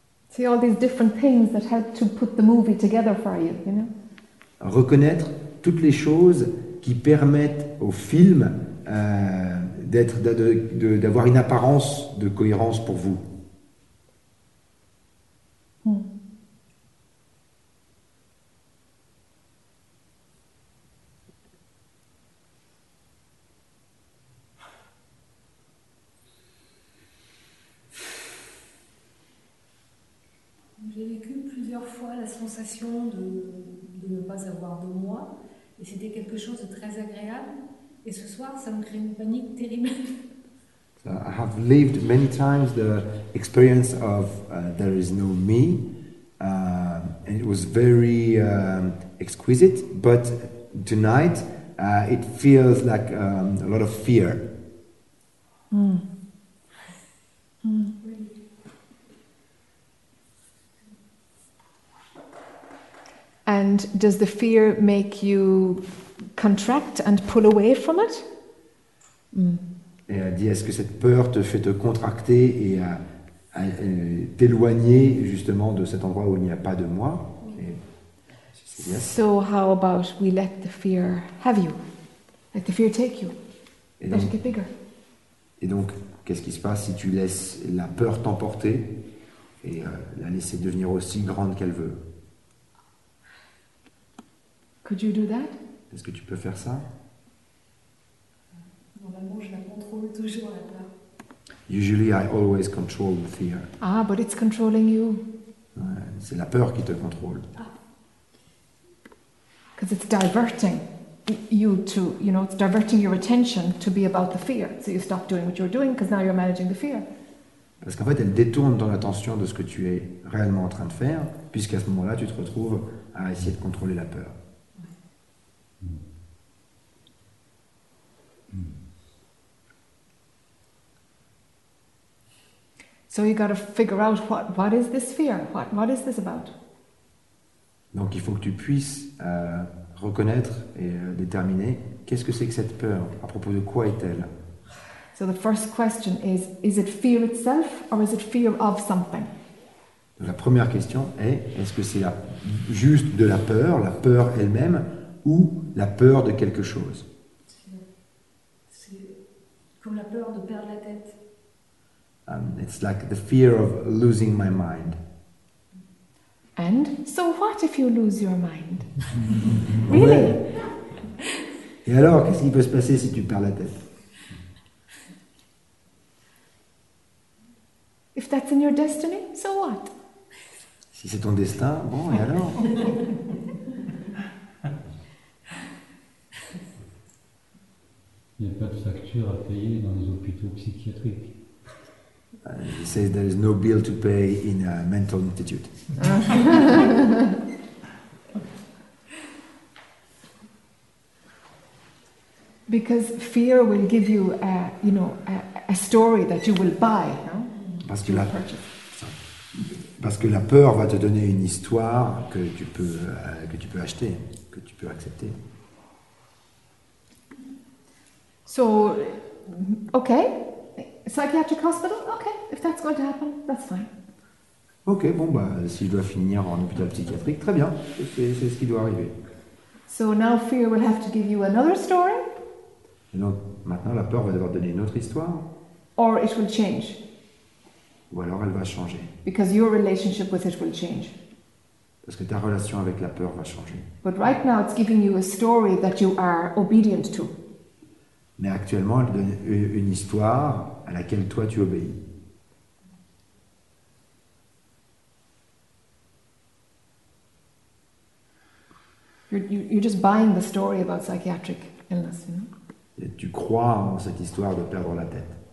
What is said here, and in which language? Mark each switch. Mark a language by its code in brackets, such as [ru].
[en] See all these different things that help to put the movie together for you, you know. [fr] Reconnaître toutes les choses qui permettent au film d'avoir une apparence de cohérence pour vous. J'ai vécu plusieurs fois la sensation de ne pas avoir de moi. Et c'était quelque chose de très agréable. Et ce soir, ça me crée une panique terrible. [en] So I have lived many times the experience of there is no me. And it was very exquisite. But tonight, It feels like a lot of fear. Mm. Mm. And does the fear make you contract and pull away from it? Mm. [fr] Et elle dit, est-ce que cette peur te fait te contracter et à t'éloigner justement de cet endroit où il n'y a pas de moi? [en] Yes. So how about we let the fear have you? Let the fear take you. [fr] Et donc, [en] let it get bigger. [fr] Et donc, qu'est-ce qui se passe si tu laisses la peur t'emporter et la laisser devenir aussi grande qu'elle veut? [en] Could you do that? [fr] Est-ce que tu peux faire ça? Normalement, je la contrôle toujours, la peur. [en] Usually I always control the fear. Ah, but it's controlling you. [fr] C'est la peur qui te contrôle. Ah. [en] Because it's diverting you to, you know, it's diverting your attention to be about the fear. So you stop doing what you're doing because now you're managing the fear. [fr] Parce qu'en fait, elle détourne ton attention de ce que tu es réellement en train de faire, puisqu'à ce moment-là, tu te retrouves à essayer de contrôler la peur. [en] So you got to figure out what is this fear? What is this about? [fr] Donc il faut que tu puisses reconnaître et déterminer qu'est-ce que c'est que cette peur, à propos de quoi est-elle. [en] So the first question is it fear itself or is it fear of something? [fr] Donc, la première question est-ce que c'est juste de la peur elle-même, ou la peur de quelque chose? C'est comme la peur de perdre la tête. [en] It's like the fear of losing my mind. And so what if you lose your mind? Really? [fr] Ouais. Et alors, qu'est-ce qui peut se passer si tu perds la tête? [en] If that's in your destiny, so what? [fr] Si c'est ton destin, bon, et alors? Il n'y a pas de facture à payer dans les hôpitaux psychiatriques. [en] He says there is no bill to pay in a mental institute. Because fear will give you a story that you will buy, no? [fr] Parce que la peur va te donner une histoire que tu peux acheter, que tu peux accepter. [en] So, okay. Psychiatric hospital? Okay, if that's going to happen, that's fine. [fr] Okay, bon, si je dois finir en hôpital psychiatrique, très bien, c'est ce qui doit arriver. [en] So now fear will have to give you another story? [fr] Et donc, maintenant la peur va devoir donner une autre histoire. [en] Or it will change. [fr] Ou alors elle va changer. [en] Because your relationship with it will change. [fr] Parce que ta relation avec la peur va changer. [en] But right now it's giving you a story that you are obedient to. [fr] Mais actuellement, elle donne une histoire à laquelle toi tu obéis. [en] You're just buying the story about psychiatric illness, you know? [fr] Et tu crois en cette histoire de perdre la tête.